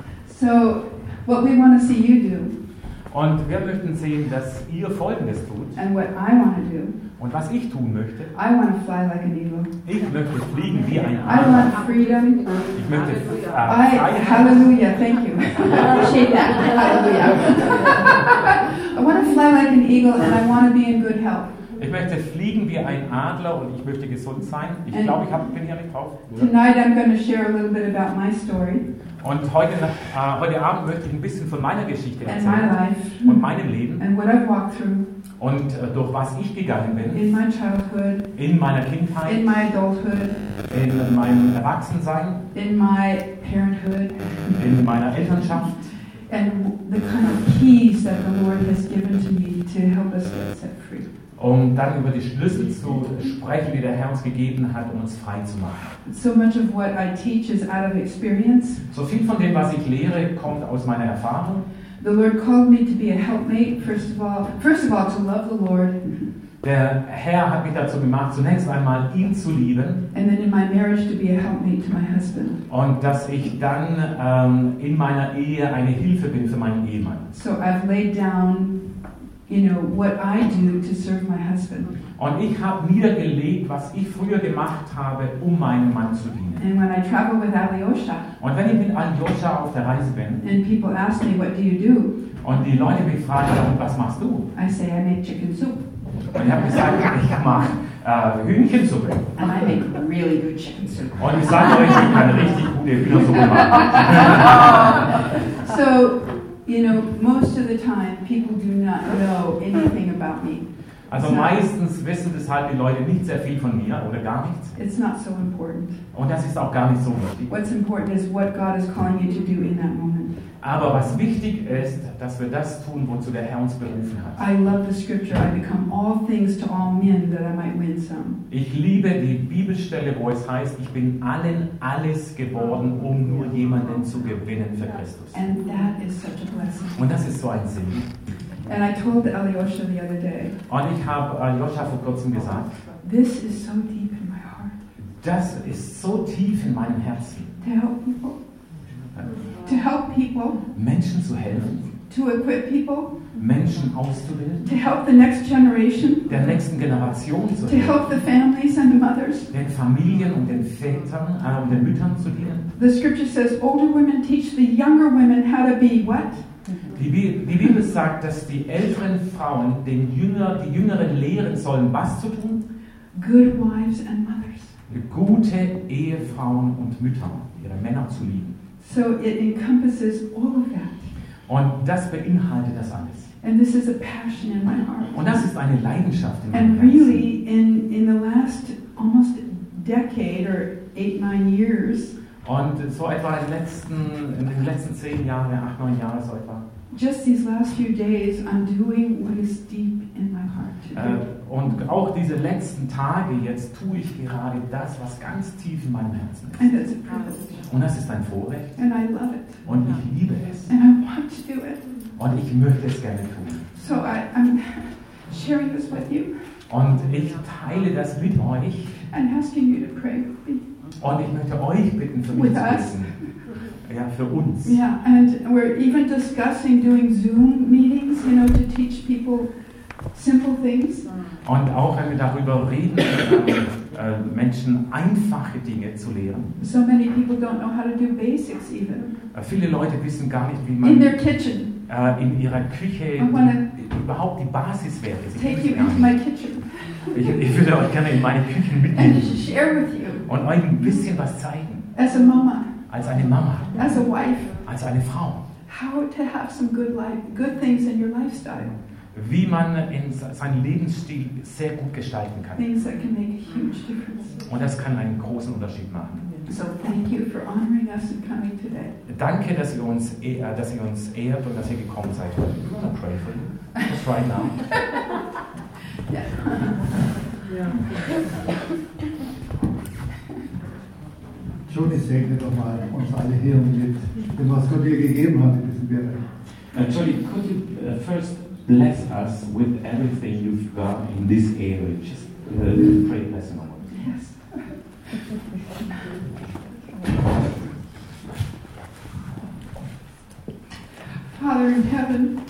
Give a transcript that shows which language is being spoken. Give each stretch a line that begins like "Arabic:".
English: So, what we want to see you do.
German: Und wir möchten sehen, dass ihr Folgendes tut.
English: And what I want to do.
German: Und was ich tun möchte.
English: I want to fly like an eagle.
German: Ich möchte fliegen wie ein Adler.
English: I want freedom.
German: Ich möchte
English: Hallelujah, thank you. I appreciate that. Hallelujah. I want to fly like an eagle and I want to be in good health.
German: Ich möchte fliegen wie ein Adler und ich möchte gesund sein. Ich glaube, ich bin hier nicht drauf.
English: Tonight I'm going to share a little bit about my story.
German: Und heute Abend möchte ich ein bisschen von meiner Geschichte erzählen.
English: And my life.
German: Und meinem Leben.
English: And what I've walked through.
German: Und durch was ich gegangen bin.
English: In my childhood.
German: In meiner Kindheit.
English: In my adulthood.
German: In meinem Erwachsensein.
English: In my parenthood.
German: In meiner Elternschaft.
English: And the kind of keys that the Lord has given to me to help us get set free.
German: Um dann über die Schlüssel zu sprechen, die der Herr uns gegeben hat, um uns frei zu machen.
English: So much of what I teach is out of experience.
German: So viel von dem, was ich lehre, kommt aus meiner Erfahrung.
English: The Lord called me to be a helpmate, first of all to love the Lord.
German: Der Herr hat mich dazu gemacht, zunächst einmal ihn zu lieben.
English: And then in my marriage to be a helpmate to my husband.
German: Und dass ich dann in meiner Ehe eine Hilfe bin für meinen Ehemann.
English: So I've laid down, you know, what I do to serve my husband.
German: Und ich habe niedergelegt, was ich früher gemacht habe, um meinem Mann zu dienen.
English: And when I travel with Alyosha.
German: Und wenn ich mit Alyosha auf der Reise bin.
English: And people ask me, what do you do?
German: Und die Leute mich fragen, was machst du?
English: I say, I make chicken soup.
German: Und ich habe gesagt, ich mache Hühnchensuppe.
English: And I make really good chicken soup.
German: Und ich sage euch, ich kann richtig gute Hühnersuppe machen.
English: So. You know, most of the time, people do not know anything about me.
German: Also meistens wissen deshalb die Leute nicht sehr viel von mir oder gar nichts.
English: It's not so important.
German: Und das ist auch gar nicht so wichtig.
English: What's important is what God is calling you to do in that moment.
German: Aber was wichtig ist, dass wir das tun, wozu der Herr uns berufen hat.
English: I love the scripture. I become all things to all men that I might win some.
German: Ich liebe die Bibelstelle, wo es heißt, ich bin allen alles geworden, um nur jemanden zu gewinnen für Christus.
English: And that is such a blessing.
German: Und das ist so ein Segen.
English: And I told Alyosha the other day.
German: Und ich habe Alyosha vor kurzem gesagt.
English: This is so deep in my heart.
German: Das ist so tief in meinem Herzen.
English: To help people. To help people.
German: Menschen zu helfen.
English: To equip people.
German: Menschen auszubilden.
English: To help the next generation.
German: Der nächsten Generation zu helfen.
English: To help the families and the mothers.
German: Den Familien und den Vätern und den Müttern zu dienen.
English: The scripture says, older women teach the younger women how to be what?
German: Die Bibel sagt, dass die älteren Frauen den die Jüngeren lehren sollen, was zu tun?
English: Good wives and mothers.
German: Gute Ehefrauen und Mütter, ihre Männer zu lieben.
English: So it encompasses all of that.
German: Und das beinhaltet das alles.
English: And this is a passion in my heart.
German: Und das ist eine Leidenschaft in meinem Herzen.
English: And really, in the last almost decade or 8-9 years.
German: Und so etwa in den letzten 8-9 Jahren so etwa.
English: Just these last few days, I'm doing what is deep in my heart.
German: Und auch diese letzten Tage jetzt tue ich gerade das, was ganz tief in meinem Herzen ist.
English: And that's a privilege.
German: Und das ist ein Vorrecht.
English: And I love it.
German: Und ich liebe es.
English: And I want to do it.
German: Und ich möchte es gerne tun.
English: So I'm sharing this with you.
German: Und ich teile das mit euch.
English: And asking you to pray with me.
German: Und ich möchte euch bitten, für mich zu beten. Ja, für uns.
English: Yeah, and we're even discussing doing Zoom meetings, you know, to teach people simple things.
German: Und auch wenn wir darüber reden, Menschen einfache Dinge zu lehren.
English: So many people don't know how to do basics even.
German: Viele Leute wissen gar nicht, wie man
English: in their kitchen.
German: In ihrer Küche überhaupt die Basis wäre.
English: Take you into my kitchen.
German: Ich würde euch gerne in meine Küche mitnehmen.
English: And share with you.
German: Und euch ein bisschen was zeigen.
English: As a mama.
German: als eine Mama,
English: as a wife,
German: als eine Frau.
English: How to have some good life, good things in your lifestyle.
German: Wie man in seinen Lebensstil sehr gut gestalten kann.
English: Things that can make a huge difference.
German: Und das kann einen großen Unterschied machen.
English: So thank you for honoring us and coming today.
German: Danke, dass ihr uns ehrt und dass ihr gekommen seid.
English: I pray for you. Just right now.
German: Johnny, segne doch mal uns alle hier mit dem, was Gott dir gegeben hat in diesem Bereich.
English: Johnny, could you first bless us with everything you've got in this area? Just pray a blessing on us. Yes. Father in heaven.